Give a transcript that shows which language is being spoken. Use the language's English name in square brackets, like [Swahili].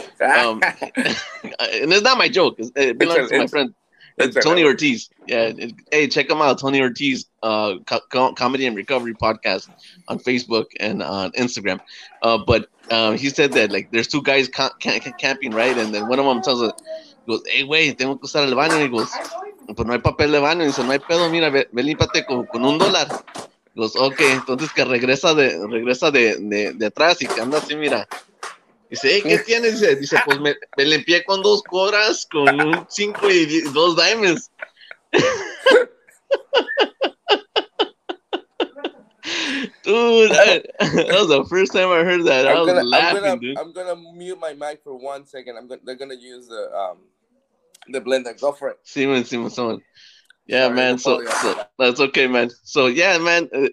[English] and it's not my joke. It belongs to my friend. It's Tony Ortiz. Yeah. Hey, check him out. Tony Ortiz, Comedy and Recovery Podcast on Facebook and on Instagram. But he said that, like, there's two guys camping, right? And then one of them tells him, he goes, hey, [Spanish] güey, tengo que usar el baño. [English] He goes, [Spanish] pues no hay papel de baño. [English] He said, [Spanish] no hay pedo. Mira, ve límpate con $1. [English] Goes, okay, [Spanish] entonces que regresa de atrás y que anda así, mira. Dice, hey, ¿qué tienes? Dice, pues me limpié con 2 coras, con 5 y 2 diamonds. [English] Dude, that was the first time I heard that. I'm gonna mute my mic for 1 second. They're gonna use the blender. Go for it. Simon. Yeah, sorry, man. So that's okay, man. So yeah, man.